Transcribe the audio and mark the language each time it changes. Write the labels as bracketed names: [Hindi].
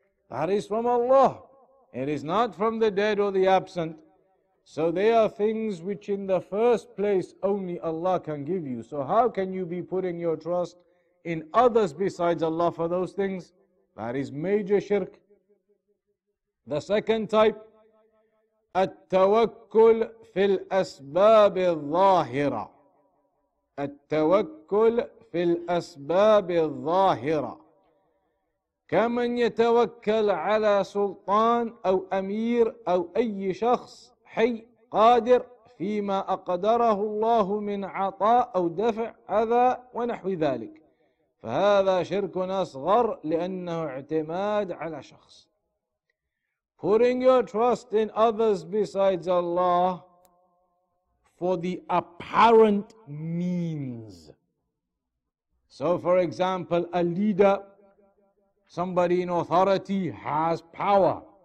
[English] That is from Allah. It is not from the dead or the absent. So they are things which in the first place only Allah can give you. So how can you be putting your trust in others besides Allah for those things? That is major shirk. The second type, [Arabic] التوكل في الأسباب الظاهرة. التوكل في الأسباب الظاهرة. كمن يتوكل على سلطان أو أمير أو أي شخص حي قادر فيما أقدره الله من عطاء أو دفع أذى ونحو ذلك فهذا شرك أصغر لأنه اعتماد على شخص. [English] Putting your trust in others besides Allah for the apparent means. So for example, a leader, somebody in authority has power.